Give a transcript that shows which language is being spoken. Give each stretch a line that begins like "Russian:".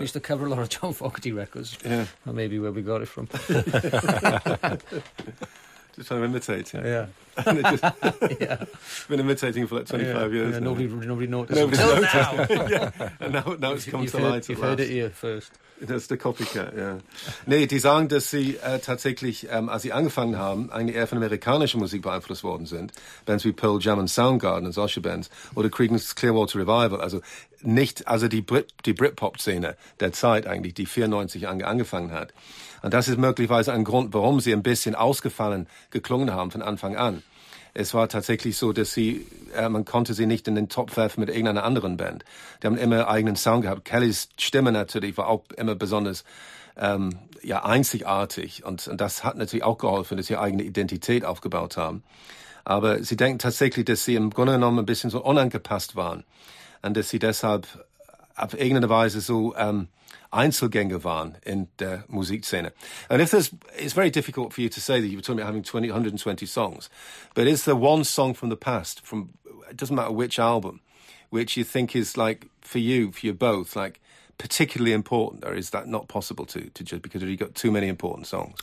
English: I used to cover a lot of John Fogerty records. Yeah. Maybe where we got it from. Just trying to imitate him. Yeah. Been imitating for like 25 years. Yeah, nobody noticed. Nobody noticed. Now. And now it's come to light at last. You've heard it here first.
German: Das ist der Copycat, ja. Nee, die sagen, dass sie tatsächlich, als sie angefangen haben, eigentlich eher von amerikanischer Musik beeinflusst worden sind. Bands wie Pearl Jam und Soundgarden und solche Bands. Oder Creedence Clearwater Revival. Also nicht, also die Britpop-Szene der Zeit eigentlich, die 94 angefangen hat. Und das ist möglicherweise ein Grund, warum sie ein bisschen ausgefallen geklungen haben von Anfang an. Es war tatsächlich so, dass sie, man konnte sie nicht in den Topf werfen mit irgendeiner anderen Band. Die haben immer eigenen Sound gehabt. Kellys Stimme natürlich war auch immer besonders einzigartig. Und das hat natürlich auch geholfen, dass sie eigene Identität aufgebaut haben. Aber sie denken tatsächlich, dass sie im Grunde genommen ein bisschen so unangepasst waren. Und dass sie deshalb auf irgendeine Weise so Einzelgänger waren in der Musikszene.
English: And if it's very difficult for you to say that you were talking about having 120 songs, but is there one song from the past, from it doesn't matter which album, which you think is like for you both, like particularly important, or is that not possible to judge because you've got too many important songs?